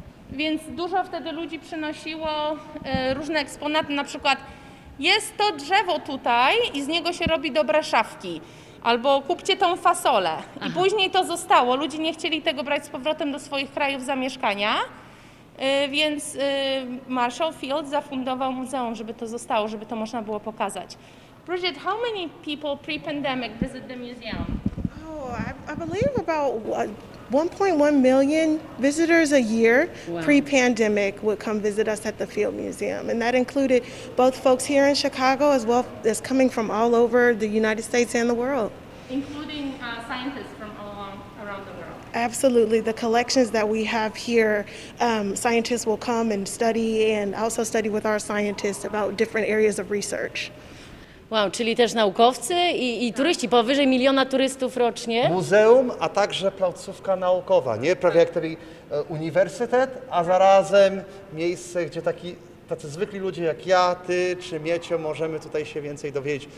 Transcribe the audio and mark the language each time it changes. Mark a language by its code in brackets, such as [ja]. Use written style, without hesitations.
[pl] Więc dużo wtedy ludzi przynosiło różne eksponaty, na przykład jest to drzewo tutaj i z niego się robi dobre szafki. Albo kupcie tą fasolę. I aha, później to zostało. Ludzie nie chcieli tego brać z powrotem do swoich krajów zamieszkania. Więc Marshall Field zafundował muzeum, żeby to zostało, żeby to można było pokazać. [en] Bridget, how many people pre-pandemic visit the museum? I believe about 1.1 million visitors a year, wow, pre-pandemic would come visit us at the Field Museum. And that included both folks here in Chicago as well as coming from all over the United States and the world. Including scientists from all around the world. Absolutely. The collections that we have here, scientists will come and study and also study with our scientists about different areas of research. [pl] Wow, czyli też naukowcy i turyści, powyżej miliona turystów rocznie. Muzeum, a także placówka naukowa, nie? Prawie jak taki uniwersytet, a zarazem miejsce, gdzie tacy zwykli ludzie jak ja, ty czy Miecio możemy tutaj się więcej dowiedzieć.